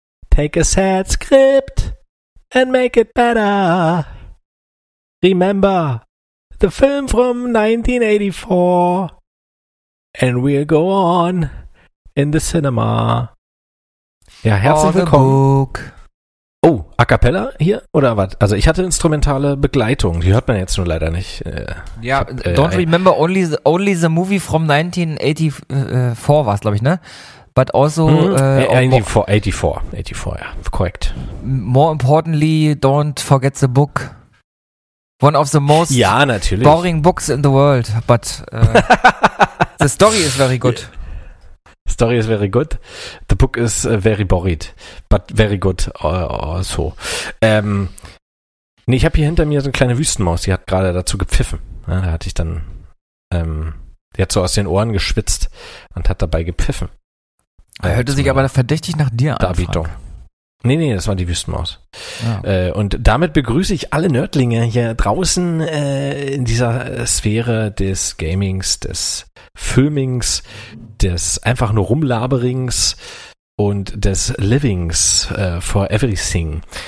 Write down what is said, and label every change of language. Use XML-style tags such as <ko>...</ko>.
<en>Take a sad script and make it better. Remember the film from 1984, and we'll go on in the cinema.</en> <de>Ja, herzlich willkommen. Oh, a cappella hier oder was? Also ich hatte instrumentale Begleitung, die hört man jetzt nur leider nicht.</de> <en>Ja, don't remember only the movie from 1984 war es, glaube ich, ne? But also...</en> <de>Mm-hmm. 84, ja, korrekt.</de> <en>More importantly, don't forget the book. One of the most boring books in the world, but the story is very good. Story is very good. The book is very boring, but very good also.</en> <de>Nee, ich habe hier hinter mir so eine kleine Wüstenmaus, die hat gerade dazu gepfiffen. Ja, da hatte ich dann, die hat so aus den Ohren geschwitzt und hat dabei gepfiffen. Er hörte sich aber verdächtig nach dir an. Darbietung. Nee, das war die Wüstenmaus. Ja. Und damit begrüße ich alle Nerdlinge hier draußen in dieser Sphäre des Gamings, des Filmings, des einfach nur Rumlaberings und des Livings for Everything.</de>